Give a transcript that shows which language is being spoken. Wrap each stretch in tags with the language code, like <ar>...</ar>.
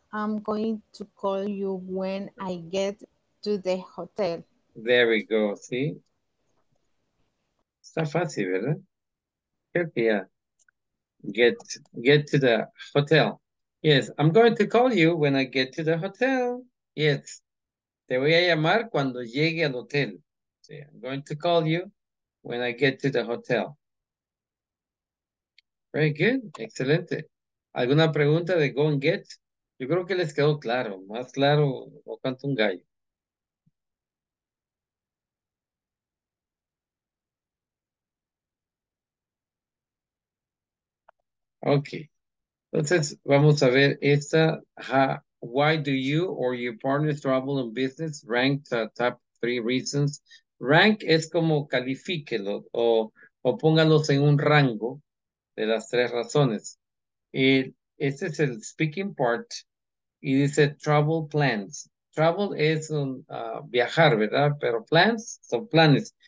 <en>I'm going to call you when I get to the hotel. There we go.</en> <es>Sí. Está fácil, ¿verdad?</es> <en>Get to the hotel. Yes, I'm going to call you when I get to the hotel.</en> <es>Yes, te voy a llamar cuando llegue al hotel.</es> <en>Sí, I'm going to call you when I get to the hotel. Very good,</en> <es>excelente. ¿Alguna pregunta de go and get? Yo creo que les quedó claro, más claro o canto un gallo. Okay, entonces vamos a ver esta.</es> <en>Why do you or your partner travel in business? Rank the top three reasons.</en> <es>Rank es como califíquelo o póngalos en un rango de las tres razones. Este es el speaking part y dice travel plans. Travel es viajar, ¿verdad? Pero plans son planes.</es>